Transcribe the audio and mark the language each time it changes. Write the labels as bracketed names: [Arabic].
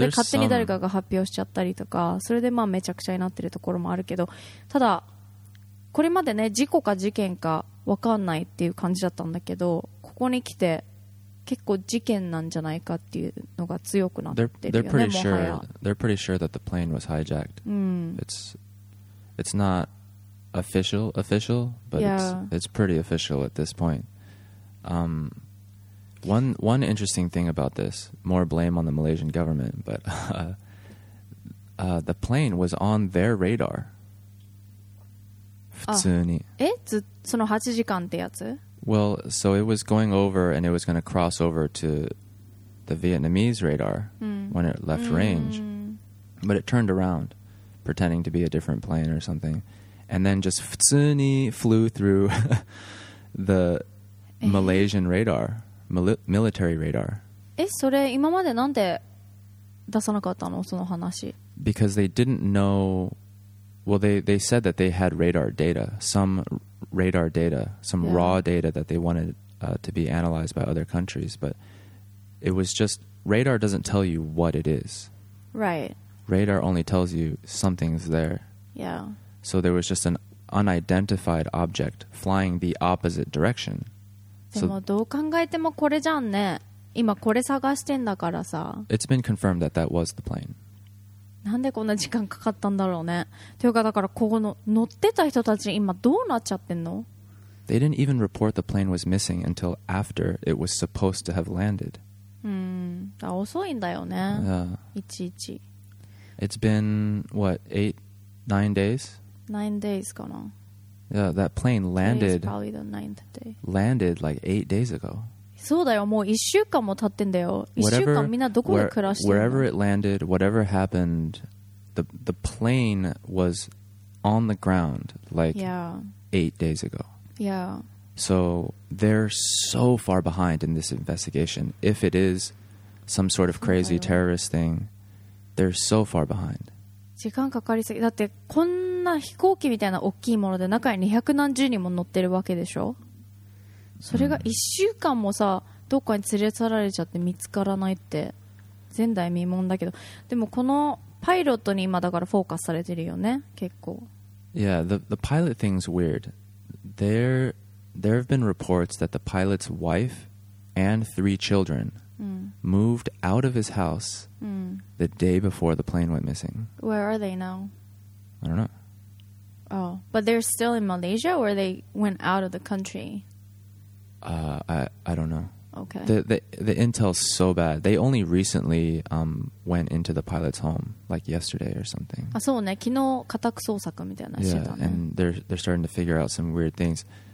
[Japanese] で勝手に誰かが発表しちゃったりとかそれでまあめちゃくちゃになってるところもあるけどただこれまでね事故か事件か分かんないっていう感じだったんだけどここに来て結構事件なんじゃないかっていうのが強くなってるよね。 [English] They're pretty sure. They're pretty sure that the plane was hijacked. It's not official, but it's pretty official at this point. One interesting thing about this, more blame on the Malaysian government, but the plane was on their radar. [Japanese] 普通に。え、その8時間ってやつ？ [English] Well, so it was going over and it was going to cross over to the Vietnamese radar when it left range. But it turned around, pretending to be a different plane or something. And then just [Japanese] 普通に [English] flew through the Malaysian radar, military radar. [Japanese] え、それ今までなんで出さなかったの？その話。 [English] Because they didn't know... Well, they said that they had radar data, some... radar data, some raw data that they wanted to be analyzed by other countries, but it was just radar doesn't tell you what it is. Right. Radar only tells you something's there. Yeah. So there was just an unidentified object flying the opposite direction. [Japanese] でもどう考えてもこれじゃんね。今これ探してんだからさ。 [English] It's been confirmed that that was the plane. [Japanese] なんでこんな時間かかったんだろうね。というかだからここの乗ってた人たち今どうなっちゃってんの [English] ？They didn't even report the plane was missing until after it was supposed to have landed. [Japanese] あ、遅いんだよね。 [English] Yeah. [Japanese] いちいち。 [English] It's been what 8-9 days? [Japanese] 9 days かな。 [English] Yeah, that plane landed. Today is probably the 9th day. Landed like 8 days ago. [Japanese] そうだよ、もう一週間も経ってんだよ。一週間みんなどこで暮らしてるの [English] Wherever it landed, whatever happened, the plane was on the ground like 8 days ago. Yeah. So they're so far behind in this investigation. If it is some sort of crazy terrorist thing, they're so far behind. [Japanese] 時間かかりすぎ。だってこんな飛行機みたいな大きいもので中に200何十人も乗ってるわけでしょ。それが1週間もさどっかに連れ去られちゃって見つからないって前代未聞だけどでもこのパイロットに今だからフォーカスされてるよね結構 [English] Yeah, the pilot thing's weird There have been reports that the pilot's wife and three children moved out of his house the day before the plane went missing Where are they now? I don't know Oh, but they're still in Malaysia or they went out of the country I don't know. Okay. The intel's so bad. They only recently went into the pilot's home, like yesterday or something. [Japanese] あ、そうね。昨日家宅捜索みたいなしてたね。 [English] Yeah, and they're starting to figure out some weird things.